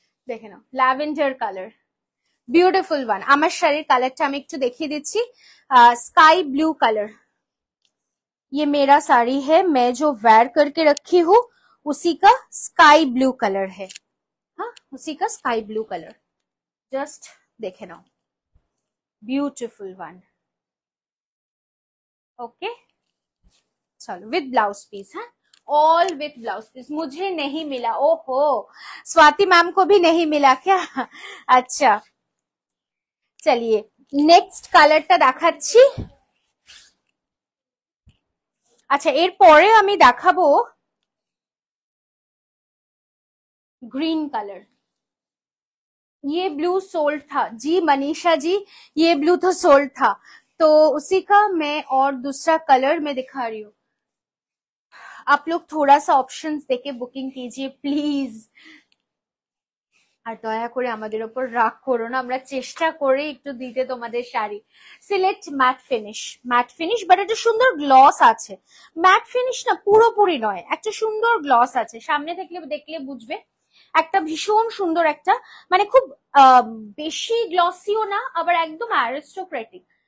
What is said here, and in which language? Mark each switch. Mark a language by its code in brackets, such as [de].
[bn] দেখে নাও lavender colour, beautiful one. আমার শাড়ির কালারটা আমি একটু দেখিয়ে দিচ্ছি, স্কাই ব্লু কালার। [hi] ইয়ে মেরা শাড়ি হ্যায়, মে জো ওয়্যার করকে রাখি হু উসি কা স্কাই ব্লু কালার হ্যায়, হ্যাঁ উসি কা স্কাই ব্লু কালার, জাস্ট দেখে নাও, বিউটিফুল ওয়ান। चलो विद ब्लाउज पीस है, ऑल विथ ब्लाउज पीस मुझे नहीं मिला। ओहो स्वाति मैम को भी नहीं मिला क्या? अच्छा चलिए नेक्स्ट [bn] কালারটা দেখাচ্ছি। আচ্ছা এরপরে আমি দেখাবো গ্রিন কালার। [hi] ये ब्लू सोल्ड था जी मनीषा जी, ये ब्लू तो सोल्ड था, तो उसी का मैं और दूसरा कलर मैं दिखा रही हूं। आप लोग थोड़ा सा ऑप्शंस देके बुकिंग कीजिए प्लीज, [bn] আর দয়া করে আমাদের উপর রাগ করো না, আমরা চেষ্টা করে একটু দিতে তোমাদের sari. Select mat finish, mat finish but একটা সুন্দর গ্লস আছে, ম্যাট ফিনিশ না পুরোপুরি নয়, একটা সুন্দর গ্লস আছে, সামনে থেকে দেখলে বুঝবে, একটা ভীষণ সুন্দর একটা, মানে খুব বেশি গ্লসিও না আবার একদম অ্যারিস্টোক্রেটিক।